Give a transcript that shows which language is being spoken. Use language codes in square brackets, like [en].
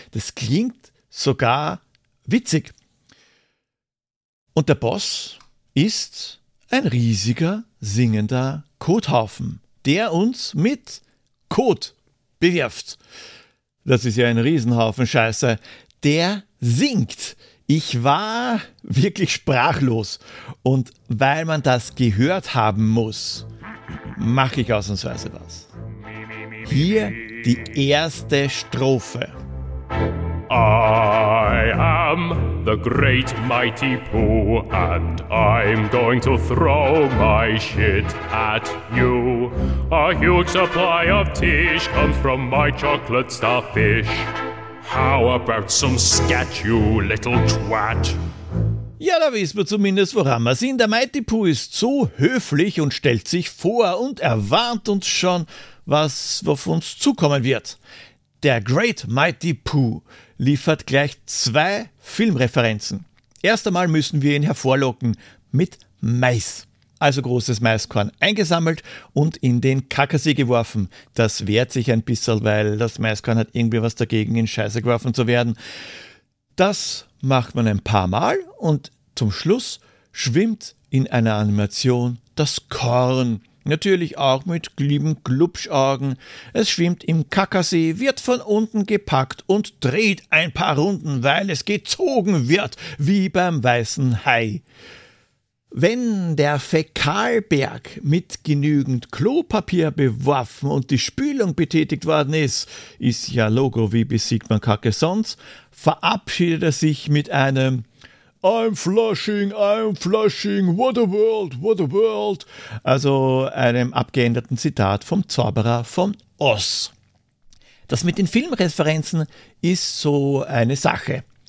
[de] Das klingt sogar witzig. Und der Boss ist ein riesiger, singender Kothaufen, der uns mit Kot bewirft. Das ist ja ein Riesenhaufen Scheiße. Der singt. Ich war wirklich sprachlos. Und weil man das gehört haben muss, mache ich ausnahmsweise was. Hier die erste Strophe. [en] I am the great mighty Pooh and I'm going to throw my shit at you. A huge supply of tish comes from my chocolate starfish. How about some scat, you little twat? [de] Ja, da wissen wir zumindest, woran wir sind. Der Mighty Pooh ist so höflich und stellt sich vor und erwarnt uns schon, was auf uns zukommen wird. Der Great Mighty Pooh liefert gleich zwei Filmreferenzen. Erst einmal müssen wir ihn hervorlocken mit Mais. Also großes Maiskorn eingesammelt und in den Kackersee geworfen. Das wehrt sich ein bisschen, weil das Maiskorn hat irgendwie was dagegen, in Scheiße geworfen zu werden. Das macht man ein paar Mal und zum Schluss schwimmt in einer Animation das Korn. Natürlich auch mit lieben Glubschaugen. Es schwimmt im Kackersee, wird von unten gepackt und dreht ein paar Runden, weil es gezogen wird, wie beim weißen Hai. Wenn der Fäkalberg mit genügend Klopapier beworfen und die Spülung betätigt worden ist, ist ja Logo, wie besiegt man Kacke sonst, verabschiedet er sich mit einem [en] I'm flushing, what a world, what a world. [de] Also einem abgeänderten Zitat vom Zauberer von Oz. Das mit den Filmreferenzen ist so eine Sache.